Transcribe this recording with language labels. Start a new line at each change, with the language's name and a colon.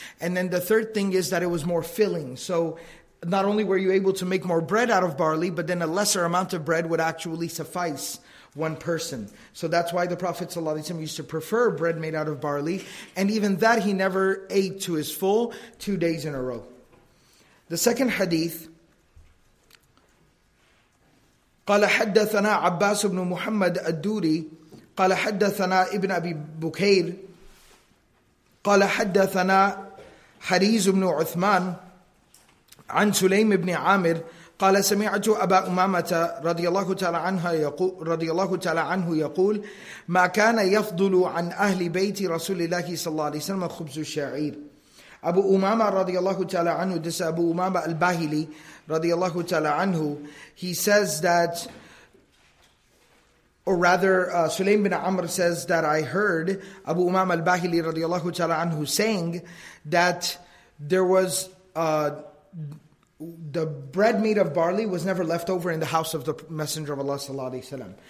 English: And then the third thing is that it was more filling. So not only were you able to make more bread out of barley, but then a lesser amount of bread would actually suffice one person. So that's why the Prophet ﷺ used to prefer bread made out of barley. And even that he never ate to his full 2 days in a row. The second hadith,
Arabic: قَالَ حَدَّثَنَا عَبَّاسُ بْنُ مُحَمَّدَ الدُّورِي قال حدثنا ابن أبي بكير قال حدثنا حريز بن عثمان عن سليم بن عامر قال سمعت أبا أمامة رضي الله تعالى عنه يقول ما كان يفضل عن أهل بيت رسول الله صلى الله عليه وسلم خبز الشعير. أبو أمامة رضي الله تعالى عنه,
English: this is Abu Umama al-Bahili radiallahu ta'ala anhu, he says that, or rather, Sulaym bin Amr says that I heard Abu Umam al-Bahili radiallahu ta'ala anhu saying that there was the bread made of barley was never left over in the house of the Messenger of Allah sallallahu alaihi wasallam.